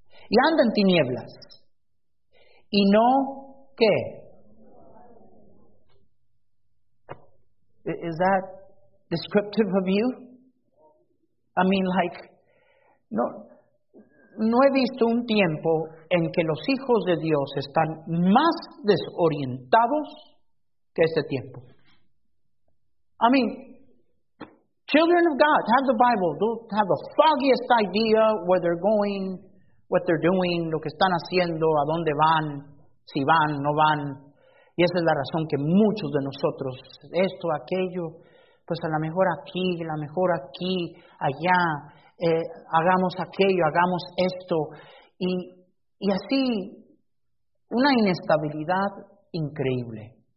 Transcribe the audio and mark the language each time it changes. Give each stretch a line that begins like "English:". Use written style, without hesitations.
Spanish: Y anda en tinieblas. Y no, ¿qué?
English: ¿Es that descriptive of you? I mean, like,
Spanish: no, no he visto un tiempo en que los hijos de Dios están más desorientados que ese tiempo.
English: I mean, children of God have the Bible, don't have the foggiest idea where they're going, what they're doing,
Spanish: lo que están haciendo, a dónde van, si van, no van. Y esa es la razón que muchos de nosotros, esto, aquello, pues a lo mejor aquí, a lo mejor aquí, allá, hagamos aquello, hagamos esto. Y así, una inestabilidad increíble.